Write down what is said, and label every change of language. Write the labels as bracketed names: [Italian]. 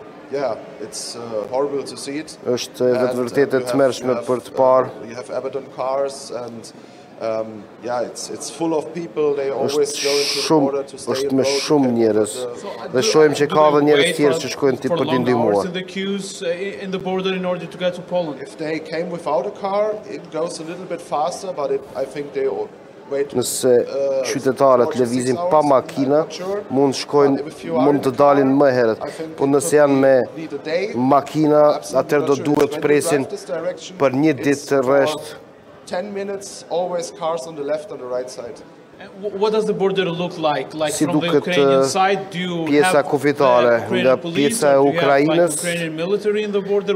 [English] Yeah, it's horrible to see it. [Albanian] Është vetë vërtet e tmerrshme për të parë. [English] You have abandoned cars and yeah, it's full of people. They always go into the border to stay. [Albanian] Është me shumë njerëz. Dhe shohim që ka edhe njerëz tjerë që shkojnë ti për të ndihmuar. [English] In the border in order to get to Poland. If they came without a car, it goes a little bit faster, but I think they all wait. [Albanian] Nëse qytetarët lëvizin pa makina, mund shkojnë, mund të dalin më herët. Po nëse janë me makina, atëherë do duhet të presin për një ditë të rresht. [English] 10 minutes always cars on the left and the right side. What does the border look like? Like si from the Ukrainian side, do you pjesa have the [Albanian] pjesa e Ukrainës, [English] like Ukrainian military in the border?